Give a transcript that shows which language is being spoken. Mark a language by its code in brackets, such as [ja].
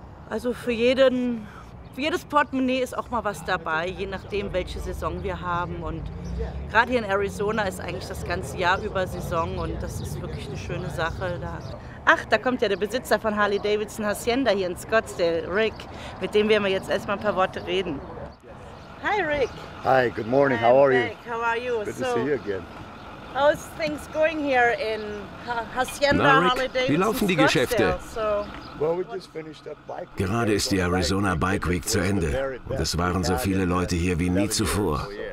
[de] Also für jeden, für jedes Portemonnaie ist auch mal was dabei, je nachdem, welche Saison wir haben. Und gerade hier in Arizona ist eigentlich das ganze Jahr über Saison und das ist wirklich eine schöne Sache. Ach, da kommt ja der Besitzer von Harley-Davidson Hacienda hier in Scottsdale, Rick, mit dem werden wir jetzt erstmal ein paar Worte reden. [en] Hi, Rick. Hi, good morning. How are you? How are you? Good to see you again. How is things going here in Hacienda Harley-Davidson? [de] Wie laufen die Geschäfte? [en] Well, we just finished that bike week. [de] Gerade ist die Arizona Bike Week zu Ende und es waren so viele Leute hier wie nie zuvor.